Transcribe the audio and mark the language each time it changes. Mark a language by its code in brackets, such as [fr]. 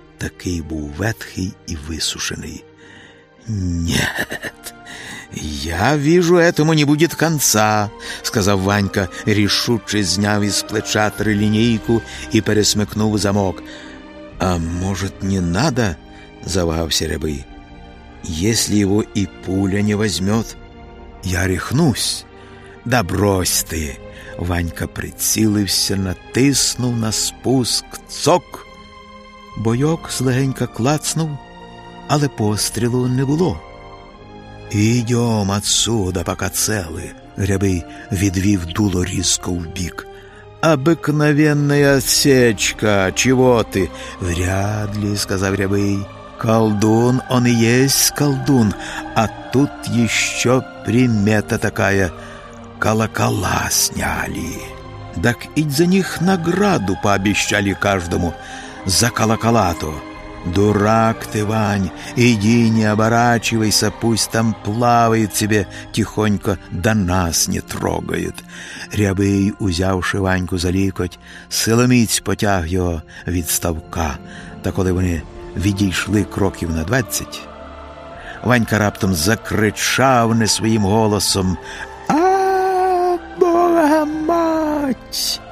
[uk] Такий був ветхий і висушений. [ru] «Нєт, я віжу этому не будет конца», [uk] – сказав Ванька, рішуче зняв із плеча трилінійку і пересмикнув замок. [ru] «А може, не надо?» – [uk] завагався Рябий. [ru] «Если его и пуля не возьмет, я рехнусь». «Да брось ты!» [uk] – Ванька прицілився, натиснув на спуск. «Цок!» Бойок слегенька клацнув, але пострілу не було. [ru] «Ідьом отсюда, пока цели!» [uk] – Рябий відвів дуло різко в бік. [ru] «Обикновенная отсечка! Чего ти?» «Вряд ли», – [uk] сказав Рябий. [ru] «Колдун, он и есть колдун, а тут еще примета такая. Колокола сняли. Так и за них награду пообещали каждому. За колоколату. Дурак ты, Вань, иди не оборачивайся, пусть там плавает тебе тихонько, да нас не трогает». [uk] Рябий, узявши Ваньку за лікоть, силоміць потяг його від ставка. Та коли вони відійшли кроків на 20, Ванька раптом закричав не своїм голосом: [ru] «А, Бога мать!